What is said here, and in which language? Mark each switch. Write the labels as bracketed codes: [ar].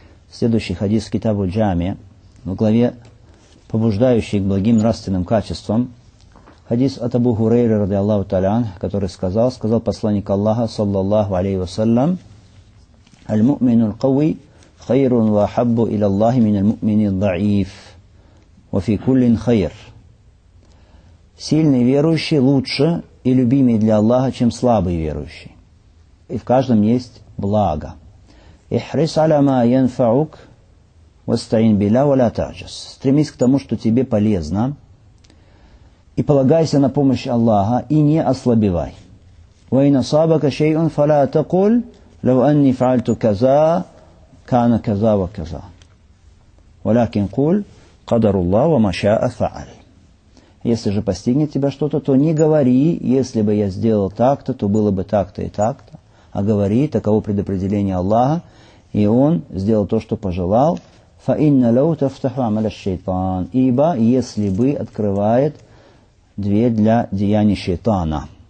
[ru] Следующий хадис Китабу Джами, в главе побуждающий к благим нравственным качествам, хадис от Абу Хурейры رضي الله تعالى عنه, который сказал посланник Аллаха صلى الله عليه وسلم: [ar] المؤمن القوي خير وحب إلى الله من المؤمن الضعيف وفي كل خير. [ru] Сильный верующий лучше и любимее для Аллаха, чем слабый верующий. И в каждом есть благо. [ar] احرص على ما ينفعك واستعين بالله ولا تعجز. [ru] Стремись к тому, что тебе полезно, и полагайся на помощь Аллаха и не ослабевай. [ar] وإن أصابك شيء فلا تقول لو أني فعلت كذا كان كذا وكذا ولكن قل قدر الله وما شاء فعل. [ru] Если же постигнет тебя что-то, то не говори: если бы я сделал так-то, то было бы так-то и так-то. А говори: таково предопределение Аллаха, и Он сделал то, что пожелал. [ar] فإن لو تفتح عمل الشيطان, [ru] ибо если бы открывает дверь для деяний шайтана.